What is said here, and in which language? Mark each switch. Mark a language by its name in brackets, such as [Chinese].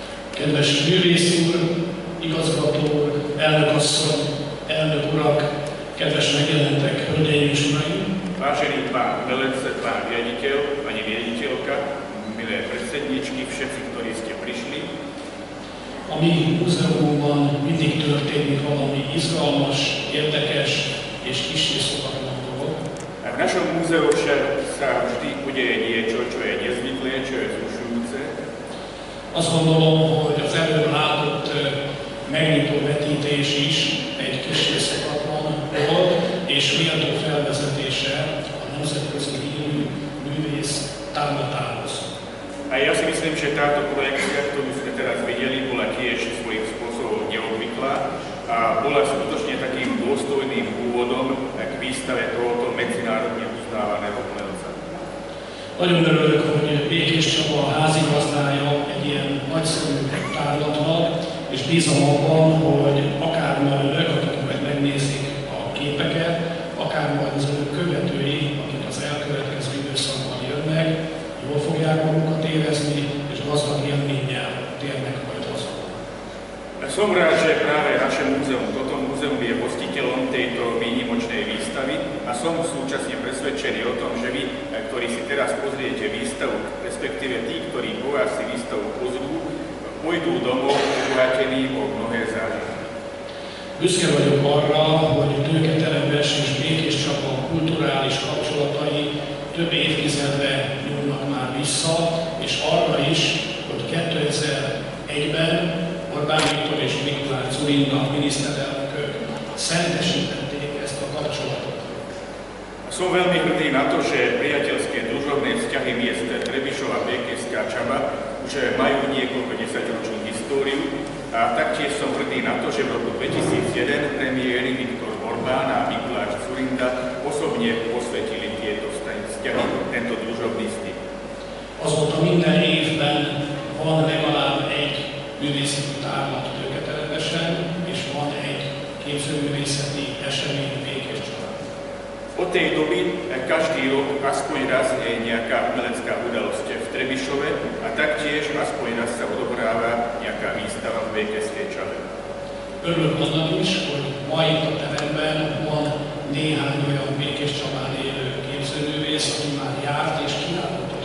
[Hungarian] kedves művész úr, igazgató úr, elnök asszony, elnök urak, kedves megjelentek, hölgyeim és uraim. [Slovak] Vážený pán velence, pán riaditeľ, pani riaditeľka, milé predsedničky, všetci, ktorí ste prišli. [Hungarian] A mi múzeumban mindig történik valami izgalmas, érdekes és kicsi szokatlan dolog. [Slovak] A v našom múzeu však sa vždy udeje niečo, čo je nezvyklé, čo je zrušujúce. [Hungarian] Azt gondolom, hogy az előbb látott megnyitó vetítés is egy kicsi szokatlan dolog, és méltó felvezetése a nemzetközi hírű művész támogatához. [Slovak] A ja si myslím, že táto projekcia, ktorú sme teraz videli, bola tiež svojím spôsobom neobvyklá a bola skutočne takým dôstojným úvodom k výstave tohoto medzinárodne uznávaného umelca. [Hungarian] Nagyon örülök, hogy Békés Csaba házigazdája egy ilyen nagyszerű tárlatnak, és bízom abban, hogy akár majd ők, akik majd megnézik a képeket, akár majd az önök követői, akik az elkövetkező időszakban jönnek, jól fogják magukat érezni, és gazdag élménnyel térnek majd haza. [Slovak] Som rád, že práve naše múzeum, toto múzeum je hostiteľom tejto výnimočnej výstavy a som súčasne presvedčený o tom, že vy, ktorí si teraz pozriete výstavu, respektíve tí, ktorí po vás si výstavu pozrú, pôjdu domov obohatení o mnohé zážitky. [Hungarian] Büszke vagyok arra, hogy Tőketelep Bersi és Békés Csaba kulturális kapcsolatai több évtizedre már vissza, és arra is, hogy 2001-ben Orbán Viktor és Mikulár Zurinda miniszterelnökök szentesítették ezt a kapcsolatot. [Slovak] Som veľmi hrdý na to, že priateľské družobné vzťahy miest Trebišov a Békéská Čaba už majú niekoľko desaťročnú históriu a taktiež som hrdý na to, že v roku 2001 premiéry Viktor Orbán a Mikuláš Zurinda osobne posvetili tieto vzťahy, tento družobný styk. [Hungarian] Azóta minden évben van legalább egy művészeti tárlat Tőketelepesen, és van egy képzőművészeti esemény Békés Csabán. [Slovak] Od tej doby každý rok aspoň raz je nejaká umelecká udalosť v Trebišove a taktiež aspoň raz sa odohráva nejaká výstava v Békéskej Csabe. [Hungarian] Örülök annak is, hogy ma itt a teremben van néhány olyan Békés Csabán élő képzőművész, aki már járt és kiállt.